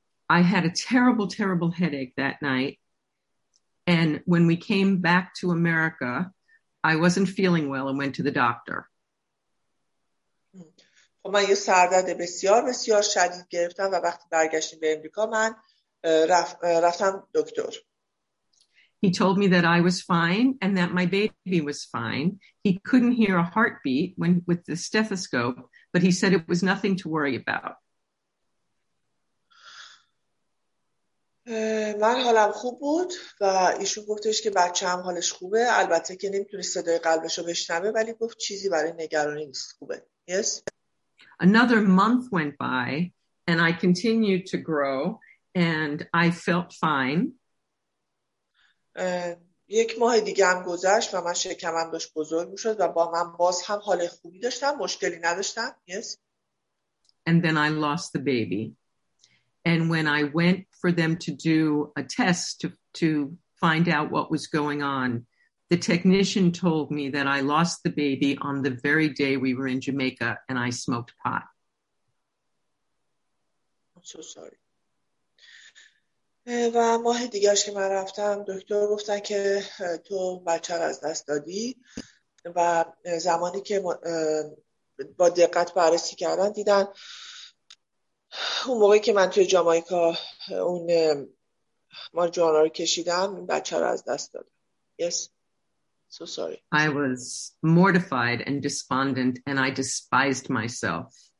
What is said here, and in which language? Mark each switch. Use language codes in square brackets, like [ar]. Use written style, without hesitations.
[en] I had a terrible terrible headache that night and when we came back to America I wasn't feeling well and went to the doctor. [fa] خب من یه سردرد بسیار بسیار شدید گرفتم و وقتی برگشتم به امریکا من رفتم دکتر. [en] He told me that I was fine and that my baby was fine. He couldn't hear a heartbeat when with the stethoscope, but he said it was nothing to worry about. [fa] من حالم خوب بود و ایشون گفتش که بچه هم حالش خوبه، البته که نمیتونه صدای قلبش رو بشنوه ولی گفت چیزی برای نگرانی نیست، خوبه. [en] Yes. Another month went by and I continued to grow and I felt fine. [fa] یک ماه دیگه هم گذشت و من شکمم داشت بزرگ میشد و با من باز هم حال خوبی داشتم، مشکلی نداشتم. [en] Yes. And then I lost the baby. And when I went for them to do a test to find out what was going on, the technician told me that I lost the baby on the very day we were in Jamaica and I smoked pot. I'm so sorry. [fa] و ماه دیگرش که من رفتم دکتر گفتن که تو بچه را از دست دادی و زمانی که با دقت بررسی کردن دیدن اون موقعی که من توی جامائیکا اون مارجوانا رو کشیدم این بچه رو از دست دادم. [en] Yes. So sorry. I was mortified and despondent and I despised myself.